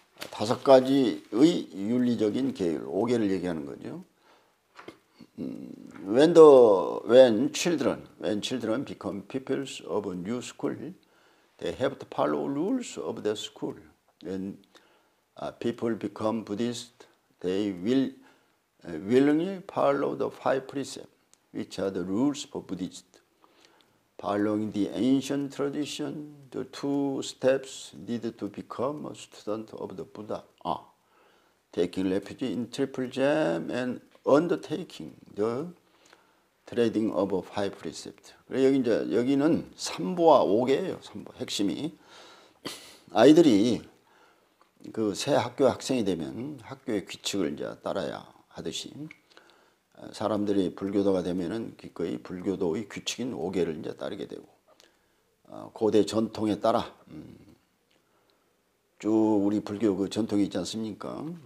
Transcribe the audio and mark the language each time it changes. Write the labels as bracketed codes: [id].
[ko] 다섯 가지의 윤리적인 계율. 5개를 얘기하는 거죠. [en] When children become pupils of a new school, they have to follow rules of the school. When people become Buddhist, they will willingly follow the five precepts, which are the rules for Buddhists. Following the ancient tradition, the two steps need to become a student of the Buddha. Taking refuge in Triple Gem and undertaking the treading of a five precepts. [ko] 여기는 3보와 5개예요. 3보 핵심이. 아이들이 그새 학교 학생이 되면 학교의 규칙을 이제 따라야 하듯이 사람들이 불교도가 되면은 기꺼이 불교도의 규칙인 5계를 이제 따르게 되고 고대 전통에 따라 쭉 우리 불교 그 전통이 있지 않습니까?